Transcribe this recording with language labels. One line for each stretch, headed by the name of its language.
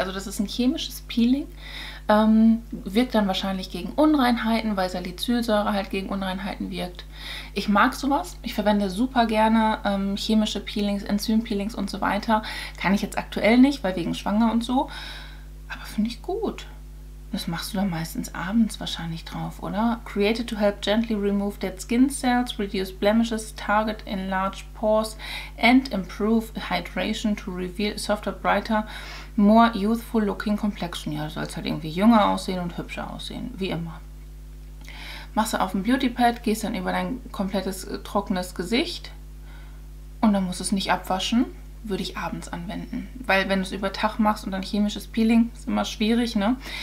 German: Also das ist ein chemisches Peeling. Wirkt dann wahrscheinlich gegen Unreinheiten, weil Salicylsäure halt gegen Unreinheiten wirkt. Ich mag sowas. Ich verwende super gerne chemische Peelings, Enzympeelings und so weiter. Kann ich jetzt aktuell nicht, weil wegen schwanger und so. Aber finde ich gut. Das machst du dann meistens abends wahrscheinlich drauf, oder?
English: Created to help gently remove dead skin cells, reduce blemishes, target enlarged pores and improve hydration to reveal a softer, brighter, more youthful looking complexion.
German: Ja, du sollst halt irgendwie jünger aussehen und hübscher aussehen, wie immer. Machst du auf dem Beauty Pad, gehst dann über dein komplettes trockenes Gesicht und dann musst du es nicht abwaschen. Würde ich abends anwenden, weil wenn du es über Tag machst und dann chemisches Peeling, ist immer schwierig, ne?